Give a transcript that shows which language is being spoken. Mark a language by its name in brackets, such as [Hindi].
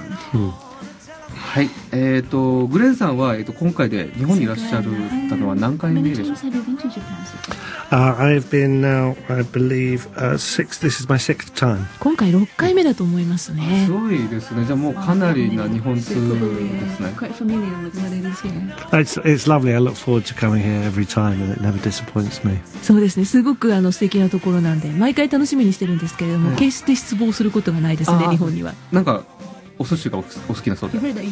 [Japanese] はい、グレンさんは、今回で日本にいらっしゃったのは何回目でしょうか。 [English] I've been now, I believe, six, this is my sixth time. [Japanese] 今回6回目だと思いますね。すごいですね。じゃあもうかなりな日本通ですね。 [English] It's lovely. I look forward to coming here every time and it never disappoints me. [Japanese] そうですね。すごく素敵なところなんで、毎回楽しみにしてるんですけれども、決して失望することがないですね、日本には。なんか、お寿司がお好きなそうです。